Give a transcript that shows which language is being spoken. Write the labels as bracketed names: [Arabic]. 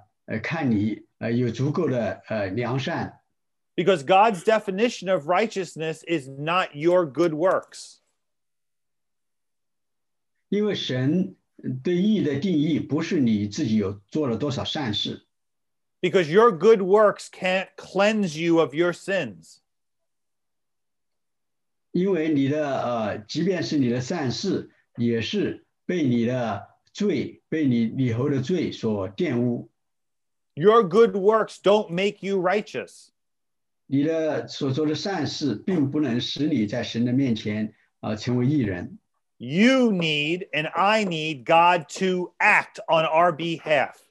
[Chinese] 你不需要在人世间的时候就去做苦力，好让神看你有足够的良善。 [English] Because God's definition of righteousness is not your good works. [Chinese] 因为神对义的定义不是你自己有做了多少善事。 [English] Because your good works can't cleanse you of your sins. [Chinese] 因为你的，即便是你的善事，也是被你的罪，被你以后的罪所玷污。 [English] Your good works don't make you righteous. [Chinese] 你的所做的善事并不能使你在神的面前成为义人。 [English] You need and I need God to act on our behalf.